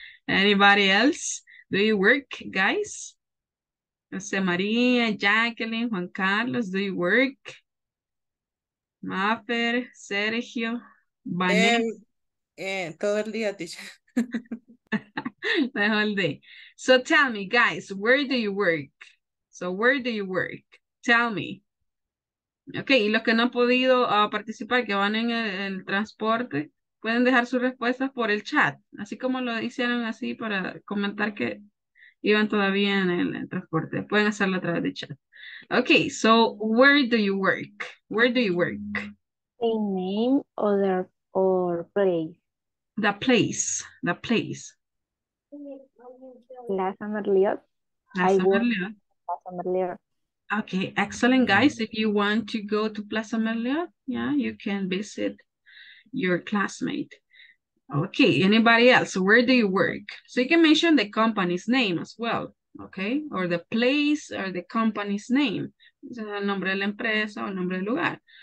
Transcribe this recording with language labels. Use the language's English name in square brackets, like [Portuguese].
[English] Anybody else? Do you work, guys? Jose Maria, Jacqueline, Juan Carlos, do you work? Mafer, Sergio, Vanessa. [Spanish] Todo el día, teacher. [English] The whole day. So tell me, guys, where do you work? So where do you work? Tell me. [Spanish] Okay, y los que no han podido participar, que van en el transporte, pueden dejar sus respuestas por el chat, así como lo hicieron así para comentar que iban todavía en el transporte. Pueden hacerlo a través de chat. [English] Okay, so where do you work? Where do you work? In name or place. The place. The place. Plaza Merliot. Plaza Merliot. Okay, excellent, guys. If you want to go to Plaza Merliot, yeah, you can visit your classmate. Okay, anybody else? Where do you work? So you can mention the company's name as well, okay? Or the place or the company's name. [Spanish] El nombre de la empresa o el nombre del lugar.